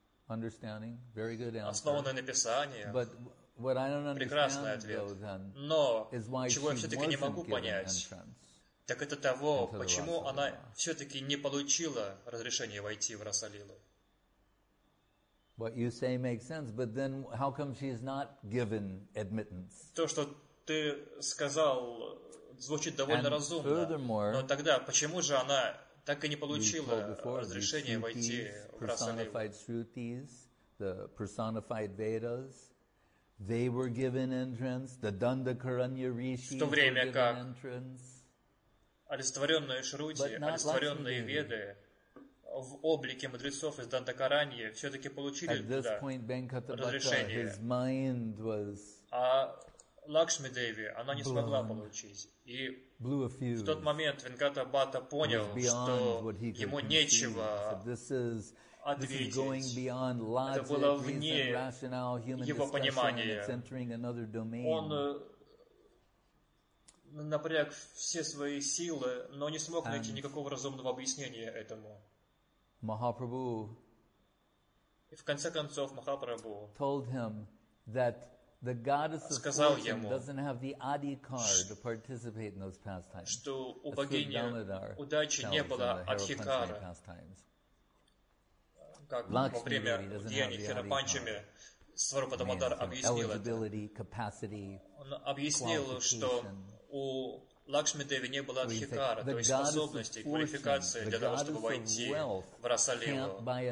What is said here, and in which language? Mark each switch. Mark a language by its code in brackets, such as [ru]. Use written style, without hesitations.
[en] Understanding, very good answer. [ru] Основанное на Писании. [en] But what I don't understand, though, then, [ru] но чего я все-таки не могу понять, так это того, почему она все-таки не получила разрешение войти в Расалилу. [en] What you say makes sense, but then how come she's not given admittance? [ru] То, что ты сказал, звучит довольно разумно, но тогда почему же она так и не получила разрешение войти в Расалилу? [en] Shrutis, the personified Vedas, they were given entrance, the Dandakaranya Rishi. [ru] В то время как олицетворенные Шрути, олицетворенные Веды в облике мудрецов из Дандакаранья все-таки получили туда разрешение. А Лакшми Деви, она не смогла получить. И в тот момент Венкатабхатта понял, что ему нечего ответить. Это было вне его понимания. Он напряг все свои силы, но не смог найти никакого разумного объяснения этому. Махапрабху и в конце концов Махапрабху [en] told him that the goddess of fortune doesn't have the adi card to participate in those pastimes. [ru] Что у богини удачи не было адхи кары. Как во время деяний Хирапанчами Сварупа Дамодара объяснил это. Он объяснил, что у Лакшми Деви не было адхи кары, то есть способности, квалификации для того, чтобы войти в Расалилу.